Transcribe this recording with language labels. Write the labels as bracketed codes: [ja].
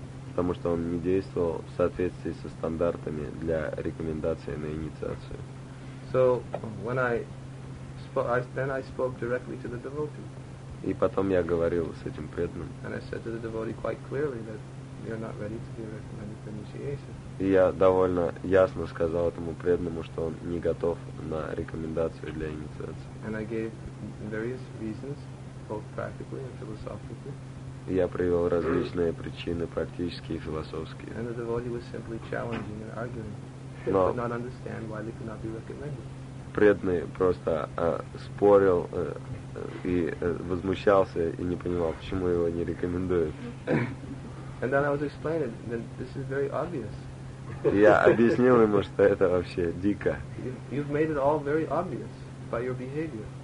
[ru] Потому что он не действовал в соответствии со стандартами для рекомендации на инициацию. [en] So when I spoke directly to the devotee. [ru] И потом я говорил с этим преданным. [en] And I said to the devotee quite clearly that you're not ready to be recommended for initiation. [ru] И я довольно ясно сказал этому преданному, что он не готов на рекомендацию для инициации. [en] And I gave various reasons, both practically and philosophically. [ru] И я привел различные причины, практические и философские. [en] And the devotee was simply challenging and arguing. He could not understand why they could not be recommended. [ru] Преданный просто спорил и возмущался и не понимал, почему его не рекомендуют. [en] And then I was explaining that this is very obvious. [ru] Я объяснил ему, что это вообще дико. [en] You've made it all very obvious by your behavior.